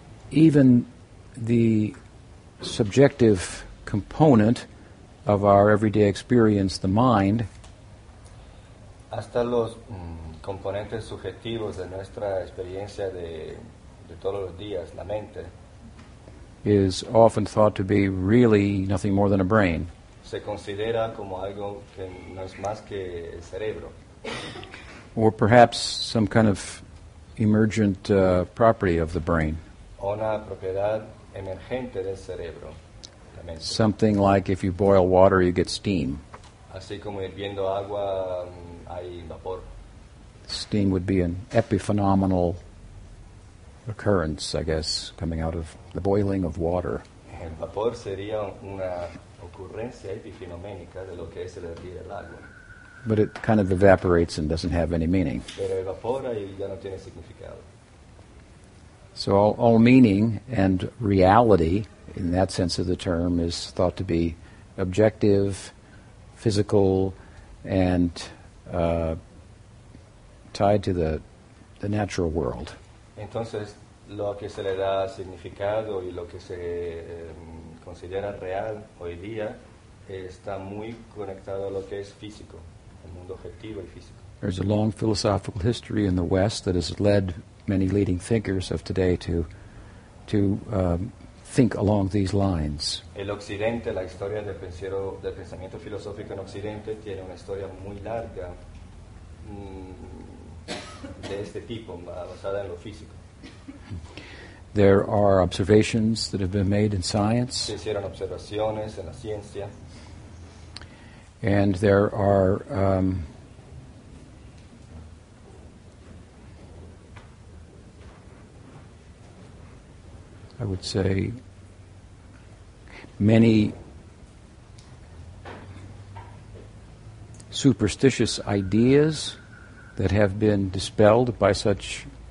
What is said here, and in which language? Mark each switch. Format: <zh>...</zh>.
<en>Even the subjective component of our everyday experience, the mind,</en> <es>hasta los componentes subjetivos de nuestra experiencia de todos los días, la mente,</es> <en>is often thought to be really nothing more than a brain.</en> <es>Se considera como algo que no es más que el cerebro.</es> <en>Or perhaps some kind of emergent property of the brain.</en> <es>Una propiedad emergente del cerebro.</es> <en>Something like if you boil water, you get steam.</en> <es>Así como hirviendo agua, hay vapor.</es> <en>Steam would be an epiphenomenal occurrence, I guess, coming out of the boiling of water.</en> <es>El vapor sería una ocurrencia epifenoménica de lo que es el hervir el agua.</es> <en>But it kind of evaporates and doesn't have any meaning.</en> <es>Pero evapora y ya no tiene significado.</es> <en>So all meaning and reality, in that sense of the term, is thought to be objective, physical, and tied to the natural world.</en> <es>Entonces, lo que se le da significado y lo que se considera real hoy día está muy conectado a lo que es físico, el mundo objetivo y físico.</es> <en>There's a long philosophical history in the West that has led many leading thinkers of today to think along these lines.</en> <es>El occidente, la historia del pensamiento filosófico en occidente tiene una historia muy larga de este tipo, basada en lo físico.</es> <en>There are observations that have been made in science.</en> <es>Se hicieron observaciones en la ciencia.</es> <en>And there are I would say many superstitious ideas that have been dispelled by such</en>